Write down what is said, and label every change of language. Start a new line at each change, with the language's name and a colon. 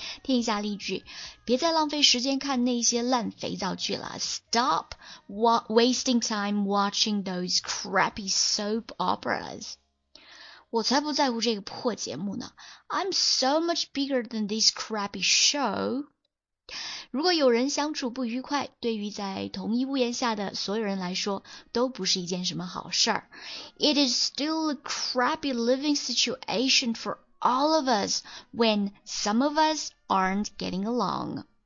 Chinese: 听一下例句，别再浪费时间看那些烂肥皂剧了。
English: Stop wasting time watching those crappy soap operas.
Chinese: 我才不在乎这个破节目呢。
English: I'm so much bigger than this crappy show.
Chinese: 如果有人相处不愉快，对于在同一屋檐下的所有人来说都不是一件什么好事儿。
English: It is still a crappy living situation for all of us when some of us aren't getting along.